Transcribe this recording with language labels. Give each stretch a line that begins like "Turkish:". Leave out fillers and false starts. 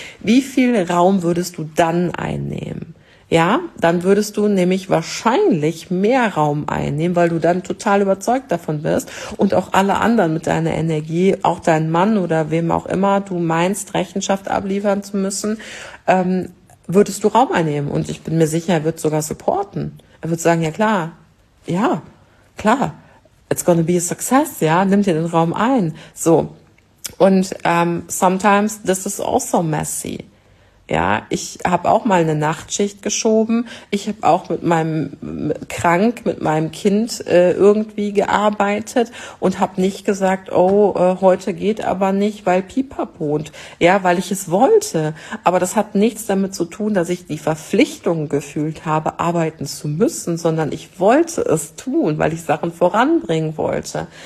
German: Wie viel Raum würdest du dann einnehmen? Ja, dann würdest du nämlich wahrscheinlich mehr Raum einnehmen, weil du dann total überzeugt davon bist und auch alle anderen mit deiner Energie, auch deinen Mann oder wem auch immer du meinst, Rechenschaft abliefern zu müssen, würdest du Raum einnehmen. Und ich bin mir sicher, er wird sogar supporten. Er wird sagen, ja, klar,
English: it's gonna be a success,
German: ja, nimm dir den Raum ein.
English: So, und sometimes this is also messy.
German: Ja, ich habe auch mal eine Nachtschicht geschoben. Ich habe auch mit meinem Kind irgendwie gearbeitet und habe nicht gesagt, oh, heute geht aber nicht, weil Pipapo. Ja, weil ich es wollte. Aber das hat nichts damit zu tun, dass ich die Verpflichtung gefühlt habe, arbeiten zu müssen, sondern ich wollte es tun, weil ich Sachen voranbringen wollte.